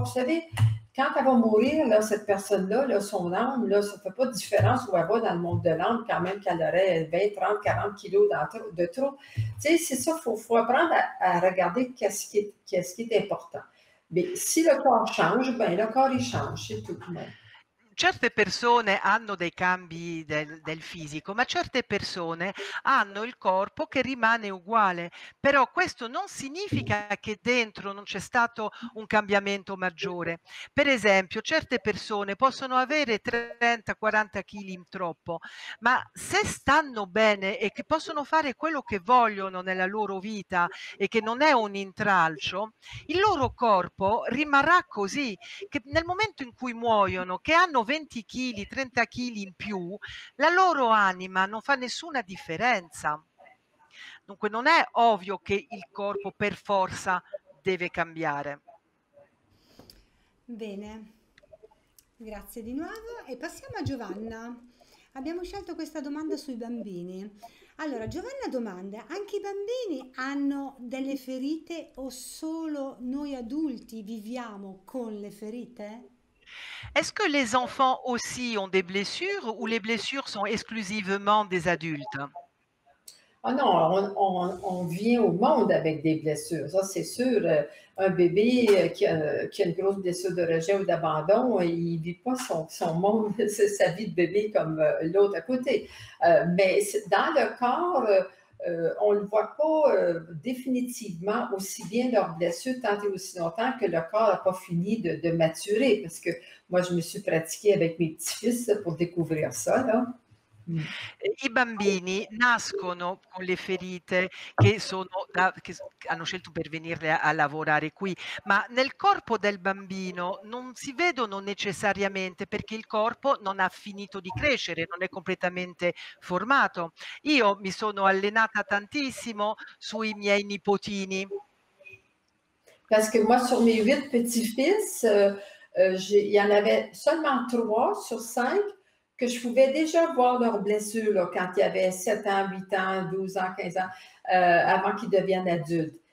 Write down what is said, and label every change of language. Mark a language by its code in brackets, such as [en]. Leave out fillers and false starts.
[fr] Vous savez, quand elle va mourir, là, cette personne-là, là, son âme, là, ça ne fait pas de différence où elle va dans le monde de l'âme quand même qu'elle aurait 20, 30, 40 kilos de trop. Tu sais, c'est ça, il faut apprendre à regarder qu'est-ce qui est important. Mais si le corps change, bien, le corps, il change, c'est tout. Mais... [it] Certe persone hanno dei cambi del fisico, ma certe persone hanno il corpo che rimane uguale. Però questo non significa che dentro non c'è stato un cambiamento maggiore. Per esempio, certe persone possono avere 30-40 kg in troppo, ma se stanno bene e che possono fare quello che vogliono nella loro vita e che non è un intralcio, il loro corpo rimarrà così, che nel momento in cui muoiono, che hanno 20 kg, 30 kg in più, la loro anima non fa nessuna differenza. Dunque non è ovvio che il corpo per forza deve cambiare. Bene, grazie di nuovo e passiamo a Giovanna. Abbiamo scelto questa domanda sui bambini. Allora, Giovanna domanda: anche i bambini hanno delle ferite o solo noi adulti viviamo con le ferite? [fr] Est-ce que les enfants aussi ont des blessures ou les blessures sont exclusivement des adultes? Ah non, on vient au monde avec des blessures, ça c'est sûr. Un bébé qui a une grosse blessure de rejet ou d'abandon, il ne vit pas son monde, sa vie de bébé comme l'autre à côté. Mais dans le corps, on ne voit pas définitivement aussi bien leurs blessures tant et aussi longtemps que le corps n'a pas fini de maturer. Parce que moi, je me suis pratiquée avec mes petits-fils pour découvrir ça, là. [it] I bambini nascono con le ferite che sono da, che hanno scelto per venire a lavorare qui, ma nel corpo del bambino non si vedono necessariamente, perché il corpo non ha finito di crescere, non è completamente formato. Io mi sono allenata tantissimo sui miei nipotini. [fr] Parce que moi, sur mes 8 petits-fils, il y en avait seulement 3 sur 5 que je pouvais déjà voir leurs blessures là, quand ils avaient 7 ans, 8 ans, 12 ans, 15 ans, avant qu'ils deviennent adultes.